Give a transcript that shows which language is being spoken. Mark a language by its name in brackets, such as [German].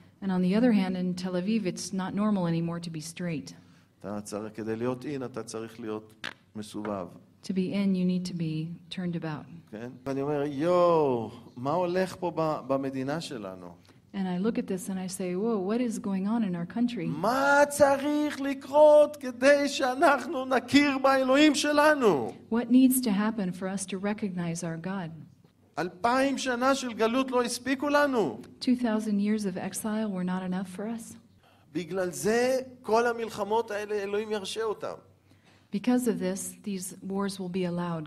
[English] And on the other hand, in Tel Aviv, it's not normal anymore to be straight. [Hebrew] כדי להיות in, אתה צריך להיות מסובב. [English] To be in, you need to be turned about. [Hebrew] כן? ואני אומר, יו, מה הולך פה במדינה שלנו? [English] And I look at this and I say, whoa, what is going on in our country? [Hebrew] מה צריך לקרות כדי שאנחנו נכיר באלוהים שלנו? [English] What needs to happen for us to recognize our God? [Hebrew] 2,000 שנה של גלות לא הספיקו לנו. [English] 2,000 years of exile were not enough for us. [Hebrew] בגלל זה כל המלחמות האלה אלוהים ירשה אותם. [English] Because of this, these wars will be allowed.